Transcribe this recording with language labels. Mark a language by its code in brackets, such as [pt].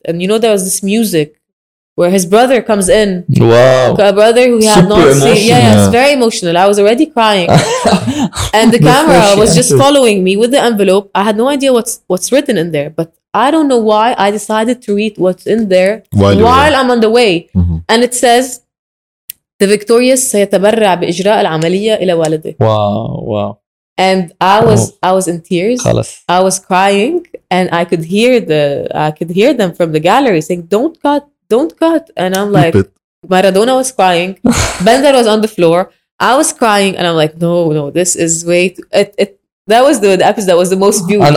[en] And you know, there was this music where his brother comes in. Wow. A brother who he had not seen. Yeah, yeah, it's very emotional. I was already crying. And the camera was just following me with the envelope. I had no idea what's written in there. But I don't know why I decided to read what's in there while I'm on the way. Mm-hmm. And it says, the victorious [ar] سيتبرع بإجراء العملية إلى والده. [en] Wow, wow. And I was in tears. [ar] خلص. [en] I was crying. And I could hear them from the gallery saying, don't cut, don't cut. And I'm like, Maradona was crying. Bender was on the floor. I was crying. And I'm like, no, no, this is way too, that was the episode that was the most beautiful.